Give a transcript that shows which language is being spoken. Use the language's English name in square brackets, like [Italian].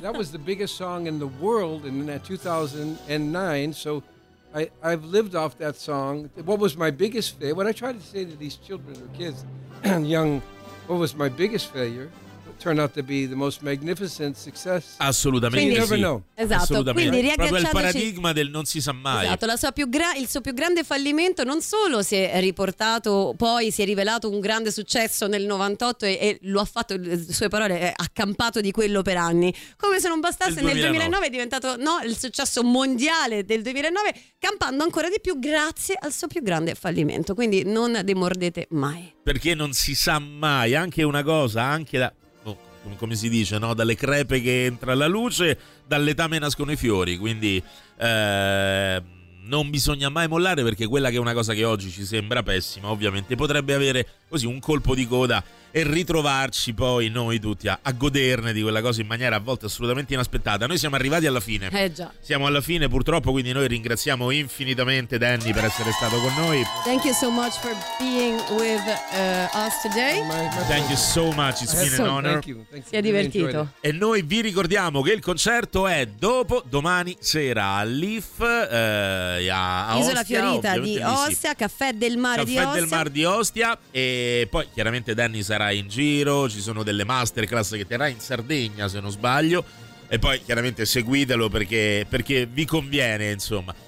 [English] That was the biggest song in the world in 2009. So... I've lived off that song. What was my biggest failure? What I try to say to these children or kids, young, what was my biggest failure? Turned out to be the most magnificent success. [Italian] Assolutamente. Quindi, sì. [English] You never know. [Italian] Esatto. Assolutamente. Quindi riagganciateci. Proprio il paradigma del non si sa mai. Esatto. La sua più il suo più grande fallimento non solo si è riportato, poi si è rivelato un grande successo nel 98 e lo ha fatto, le sue parole, è accampato di quello per anni. Come se non bastasse, nel 2009 è diventato, no, il successo mondiale del 2009, campando ancora di più grazie al suo più grande fallimento. Quindi non demordete mai. Perché non si sa mai, anche una cosa, anche da... come si dice, no? Dalle crepe che entra la luce, dall'etame nascono i fiori, quindi non bisogna mai mollare, perché quella che è una cosa che oggi ci sembra pessima, ovviamente potrebbe avere così un colpo di coda e ritrovarci poi noi tutti a goderne di quella cosa in maniera a volte assolutamente inaspettata. Noi siamo arrivati alla fine. Già. Siamo alla fine, purtroppo, quindi noi ringraziamo infinitamente Danny per essere stato con noi. [English] Thank you so much for being with us today. Thank you so much, it's been an honor. [Italian] Si è divertito. E noi vi ricordiamo che il concerto è dopo domani sera all'IF, a Isola Ostia, Fiorita di Ostia, sì. Caffè del Mar di Ostia. Caffè del Mar di Ostia. E poi chiaramente Danny sarà in giro, ci sono delle masterclass che terrà in Sardegna, se non sbaglio, e poi chiaramente seguitelo perché vi conviene, insomma.